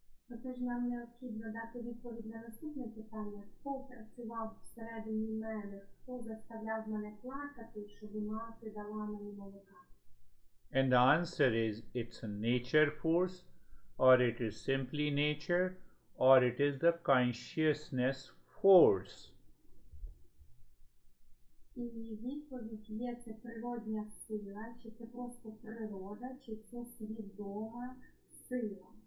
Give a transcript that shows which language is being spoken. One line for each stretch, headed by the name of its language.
Ukrainian: Отож нам необхідно дати відповідь на наступне питання. Хто працював всередині мене? Хто заставляв мене плакати, щоб мати дала мені молока?
English: And the answer is, it's a nature force, or it is simply nature, or it is the consciousness force.
Ukrainian: І відповідь є, це природня сила, чи це просто природа, чи це свідома сила.